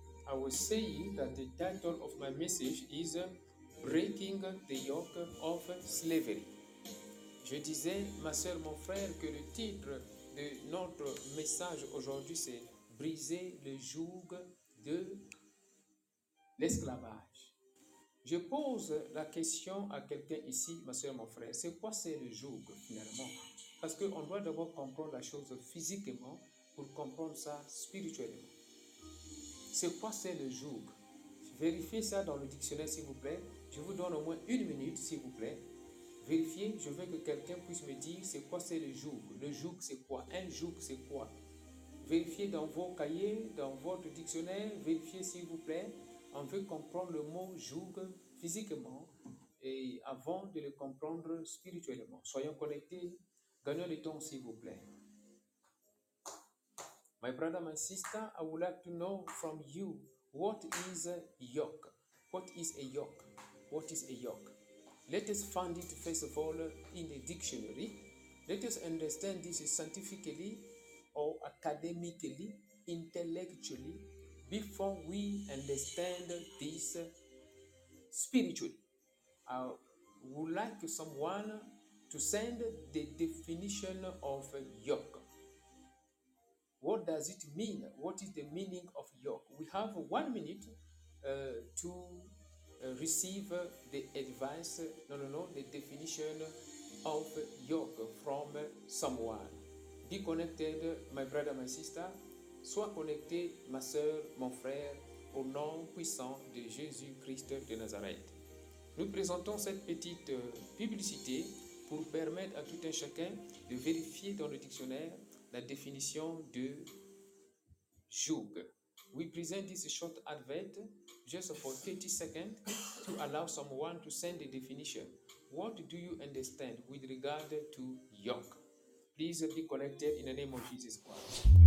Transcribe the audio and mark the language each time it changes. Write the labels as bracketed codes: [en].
[en] I was saying that the title of my message is Breaking the Yoke of Slavery. [fr] Je disais, ma soeur, mon frère, que le titre de notre message aujourd'hui, c'est Briser le joug de l'esclavage. Je pose la question à quelqu'un ici, ma soeur, mon frère, c'est quoi c'est le joug finalement? Parce qu'on doit d'abord comprendre la chose physiquement, pour comprendre ça spirituellement. C'est quoi c'est le joug? Vérifiez ça dans le dictionnaire, s'il vous plaît. Je vous donne au moins une minute, s'il vous plaît. Vérifiez, je veux que quelqu'un puisse me dire c'est quoi c'est le joug. Le joug, c'est quoi? Un joug, c'est quoi? Vérifiez dans vos cahiers, dans votre dictionnaire, vérifiez, s'il vous plaît. On veut comprendre le mot joug physiquement et avant de le comprendre spirituellement. Soyons connectés, gagnons le temps, s'il vous plaît. [en] My brother, my sister, I would like to know from you, what is a yoke? What is a yoke? What is a yoke? Let us find it first of all in the dictionary. Let us understand this scientifically or academically, intellectually, before we understand this spiritually. I would like someone to send the definition of a yoke. What does it mean? What is the meaning of yoke? We have 1 minute to receive the advice, the definition of yoke from someone. Be connected, my brother, my sister. [fr] Sois connecté, ma soeur, mon frère, au nom puissant de Jésus-Christ de Nazareth. Nous présentons cette petite publicité pour permettre à tout un chacun de vérifier dans le dictionnaire la définition de joug. [en] We present this short advert just for 30 seconds to allow someone to send the definition. What do you understand with regard to yoke? Please be connected in the name of Jesus Christ.